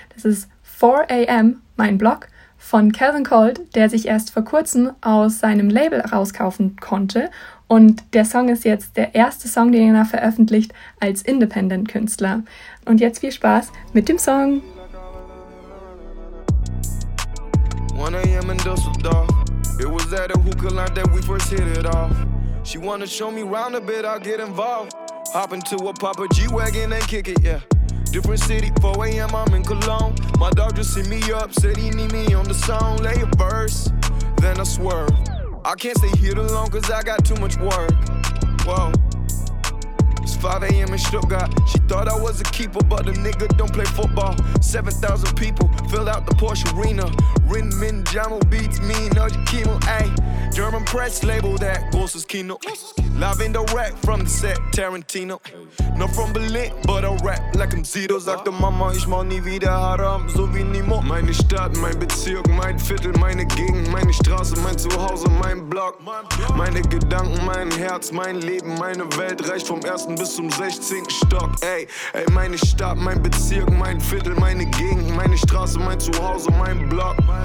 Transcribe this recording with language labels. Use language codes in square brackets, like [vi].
[de] Das ist 4am, mein Blog, von Calvin Cold, der sich erst vor kurzem aus seinem Label rauskaufen konnte. Und der Song ist jetzt der erste Song, den er veröffentlicht als Independent-Künstler. Und jetzt viel Spaß mit dem Song! [en] 1am in Düsseldorf, it was at a hookah line that we first hit it off. She wanna show me round a bit, I'll get involved. Hop into a Papa G-Wagon and kick it, yeah. Different city, 4am, I'm in Cologne. My dog just hit me up, said he need me on the song. Lay a verse, then I swerve. I can't stay here too long, cause I got too much work. Whoa. It's 5am in Stuttgart. She thought I was a keeper, but a nigga don't play football. 7,000 people filled out the Porsche Arena. Rinmin, Jamo beats me, Nudge Kimo, ayy. German press label that Ghost is Kino. Live in the rack from the set, Tarantino. Not from Berlin, but I rap like I'm Zito. [de] Sagte Mama, ich mach nie wieder Haram, so wie Nemo. Meine Stadt, mein Bezirk, mein Viertel, meine Gegend, meine Straße, mein Zuhause, mein Block. Meine Gedanken, mein Herz, mein Leben, meine Welt reicht vom 1. bis zum 16. Stock. Ey, ey, meine Stadt, mein Bezirk, mein Viertel, meine Gegend, meine Straße, mein Zuhause, mein Block.